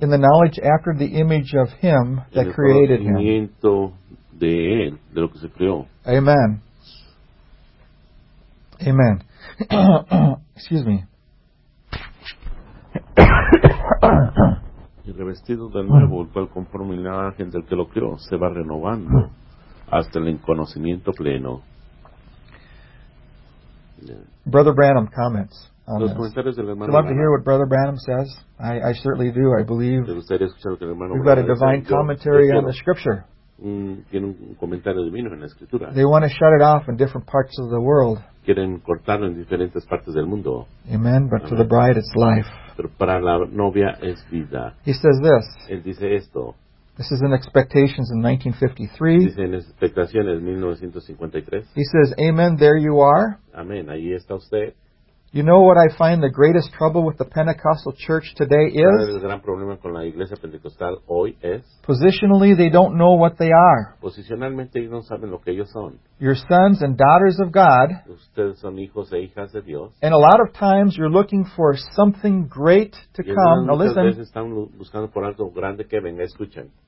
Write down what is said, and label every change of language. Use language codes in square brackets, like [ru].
[en] in the knowledge after the image of him that created him. [es] En el conocimiento de él, de lo que se creó. [en] Amen. Amen. Excuse me. [es] Y revestido del nuevo, el cual conforme la imagen del que lo creó, se va renovando hasta el conocimiento pleno. [en] Brother Branham comments. [es] Los comentarios del hermano. [en] I'd love to hear what Brother Branham says. I certainly do. I believe. [es] Me gustaría escuchar lo que el hermano Branham. [en] We've got a divine commentary on the scripture. [es] Tiene un comentario divino en la escritura. [en] They want to shut it off in different parts of the world. [es] Quieren cortarlo en diferentes partes del mundo. [en] Amen. But to the bride, it's life. [es] Pero para la novia es vida. [en] He says this. [es] Él dice esto. [en] This is in Expectations in 1953. [es] Dice en Expectaciones 1953. [en] He says, Amen. There you are. [es] Amén. Ahí está usted. [en] You know what I find the greatest trouble with the Pentecostal church today is? [es] El gran problema con la iglesia pentecostal hoy es? [en] Positionally, they don't know what they are. [es] Posicionalmente, ellos no saben lo que ellos son. [en] Your sons and daughters of God. [es] Ustedes son hijos e hijas de Dios. [en] And a lot of times, you're looking for something great to [es] y [en] come. [es] Muchas [en] now listen. [es] Veces están buscando por algo grande que venga. Escuchen.